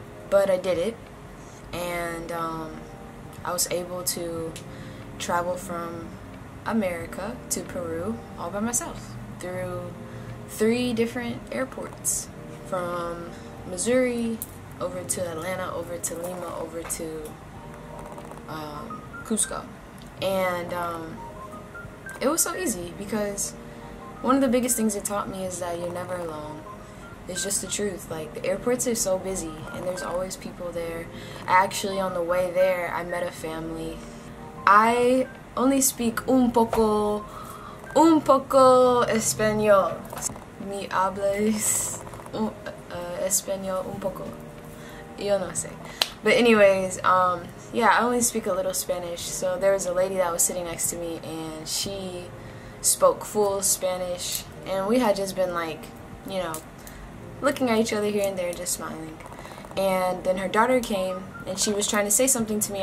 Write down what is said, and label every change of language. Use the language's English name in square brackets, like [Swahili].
[English] But I did it, and I was able to travel from America to Peru all by myself through three different airports, from Missouri over to Atlanta, over to Lima, over to Cusco. And it was so easy because one of the biggest things it taught me is that you're never alone. It's just the truth. Like, the airports are so busy and there's always people there. Actually, on the way there, I met a family. I only speak [Spanish] un poco español. Mi hablas español un poco. Yo no sé. [English] But anyways, yeah, I only speak a little Spanish. So there was a lady that was sitting next to me and she spoke full Spanish, and we had just been like, you know, looking at each other here and there, just smiling. And then her daughter came and she was trying to say something to me.